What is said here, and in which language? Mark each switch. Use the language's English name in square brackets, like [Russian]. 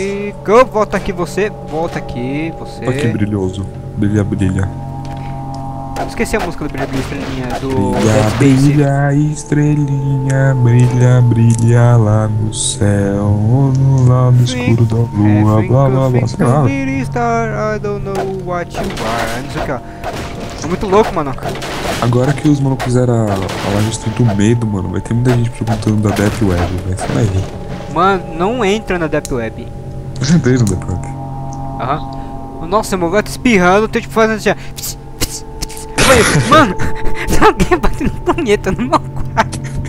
[Portuguese] E... volta aqui você. Volta aqui você. Olha que brilhoso. Brilha, brilha. Ah, esqueci a música do Brilha, Brilha, Estrelinha do... Brilha, brilha, estrelinha, brilha, brilha lá no céu, no lado escuro da lua, blá blá blá. [English] Star, I don't know what you are. [Portuguese] Não sei o que, ó. É muito louco, mano. Agora que os malucos fizeram a live do medo, mano, vai ter muita gente perguntando da Deep Web, vai ser aí. Mano, não entra na Deep Web. Eu entrei na Deep Web. Aham. Nossa, meu, vai te espirrando, tô tipo fazendo assim, ó. Mano, tem alguém batendo punheta no meu quarto.